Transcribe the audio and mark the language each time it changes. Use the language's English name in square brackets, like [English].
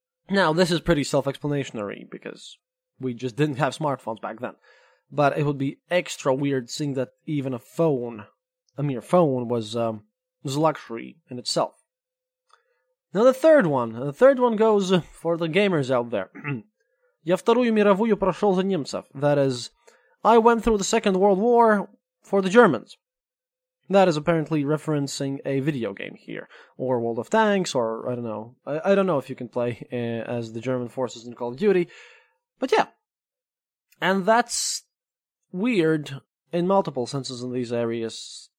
[English] Now this is pretty self-explanatory because we just didn't have smartphones back then. But it would be extra weird seeing that even a phone, a mere phone, was a luxury in itself. Now the third one goes for the gamers out there. [Russian] Я вторую мировую прошел за немцев. [English] That is, I went through the Second World War for the Germans. That is apparently referencing a video game here, or World of Tanks, or I don't know. I don't know if you can play as the German forces in Call of Duty, but yeah. And that's weird in multiple senses in these areas.